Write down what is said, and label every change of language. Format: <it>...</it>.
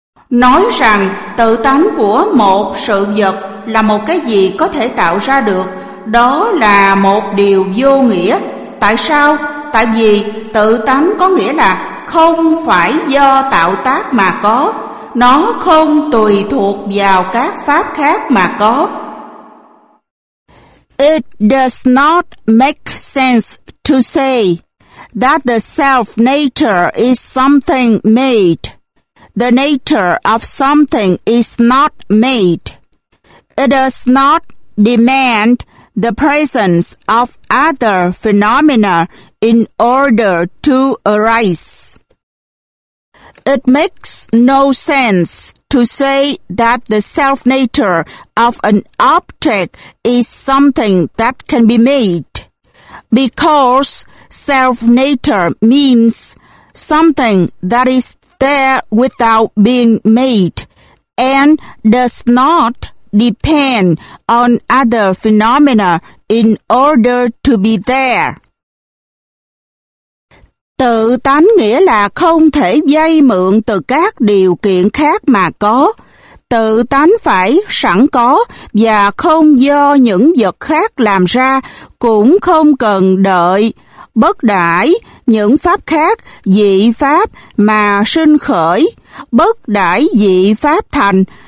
<vi>Nói rằng tự tánh của một sự vật là một cái gì có thể tạo ra được, đó là một điều vô nghĩa. Tại sao? Tại vì tự tánh có nghĩa là không phải do tạo tác mà có. Nó không tùy thuộc vào các pháp khác mà có.</vi> <en>It does not make sense to say that the self-nature is something made. The nature of something is not made. It does not demand the presence of other phenomena in order to arise. It makes no sense to say that the self-nature of an object is something that can be made, because self-nature means something that is there without being made and does not depend on other phenomena in order to be there.</en> <vi>Tự tánh nghĩa là không thể vay mượn từ các điều kiện khác mà có. Tự tánh phải sẵn có và không do những vật khác làm ra, cũng không cần đợi, bất đãi những pháp khác, dị pháp mà sinh khởi, bất đãi dị pháp thành.</vi>